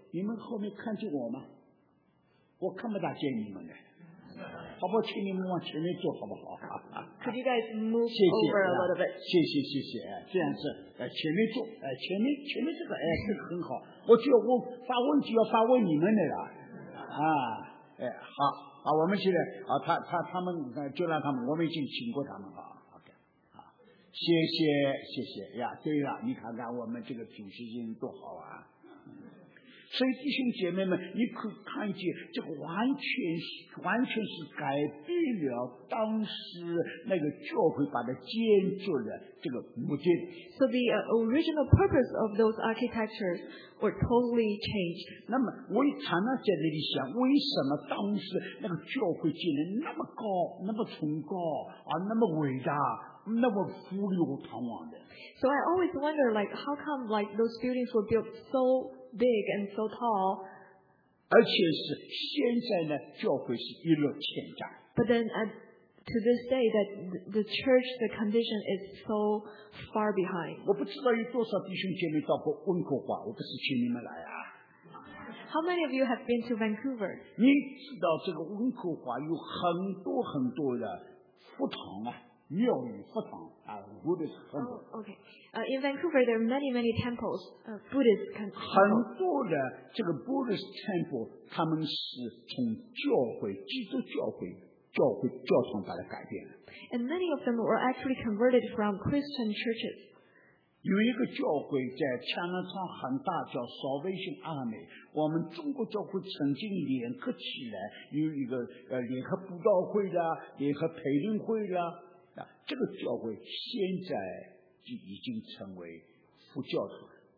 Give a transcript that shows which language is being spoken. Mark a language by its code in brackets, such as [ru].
[zh] 你们后面看见我吗？我看不大见你们的。好不好，请你们往前面坐，好不好？ [en] Could you guys move over a little bit? [zh] 谢谢，这样子，前面坐，前面这个，这个很好。我就要发问题，要发问你们的了，好，我们现在，他们就让他们，我们已经请过他们了。谢谢呀，对了，你看看我们这个主持人多好啊。所以弟兄姐妹们，你可看见这个完全是改变了当时那个教会把它建筑的这个目的。 [en] So the original purpose of those architectures were totally changed. [zh] 那么我也常常在那里想，为什么当时那个教会建得那么高，那么崇高啊，那么伟大，那么富丽堂皇的？ [en] So I always wonder, like, how come like those buildings were built so big and so tall? [zh] 而且是现在呢，教会是一落千丈。 [en] But then to this day, that the church, the condition is so far behind. [zh] 我不知道有多少弟兄姐妹到过温哥华，我不是请你们来啊。 [en] How many of you have been to Vancouver? [zh] 你知道这个温哥华有很多很多的佛堂啊。庙宇佛堂啊 ， [en] Buddhist temple. Oh, okay. In Vancouver, there are many, many temples, Buddhist temples. [zh] 很多的这个 [en] Buddhist temple， [zh] 他们是从教会、基督教会、教堂把它改变的。 [en] And many of them were actually converted from Christian churches. [zh] 有一个教会在加拿大很大，叫 Salvation Army。我们中国教会曾经联合起来，有一个联合布道会的，联合培灵会的。这个教会现在就已经成为副教徒了。